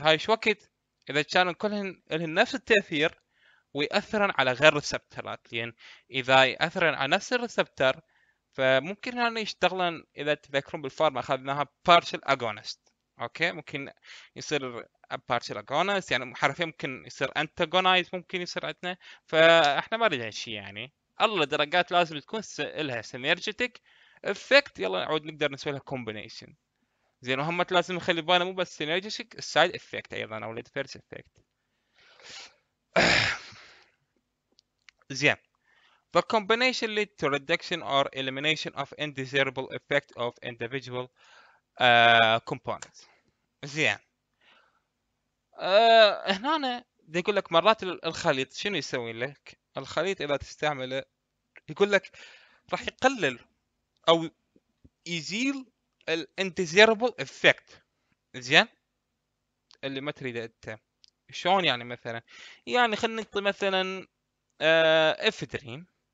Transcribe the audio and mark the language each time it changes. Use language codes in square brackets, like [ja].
[ar] هاي شو وقت اذا كانوا كلهم لهم نفس التاثير ويأثرن على غير الريسبترات، لان اذا يأثرن على نفس الريسبتر فممكن هنا يشتغلن، اذا تذكرون بالفارما اخذناها partial agonist، اوكي ممكن يصير partial agonist يعني حرفيا ممكن يصير antagonist، ممكن يصير عندنا، فاحنا ما نريد هالشيء يعني. الله درجات لازم تكون لها synergetic effect، يلا نعود نقدر نسوي لها combination زين. وهم لازم نخلي بالنا مو بس synergetic side effect ايضا او adverse effect زين. [en] The combination lead to reduction or elimination of undesirable effect of individual components. [ar] زين. هنا أنا يقول لك مرات الخليط شنو يسوي لك؟ الخليط إذا تستعمله يقول لك راح يقلل أو يزيل ال undesirable effect. زين؟ اللي ما تريده أنت. شلون يعني مثلا؟ يعني خلينا نعطي مثلا افيدرين.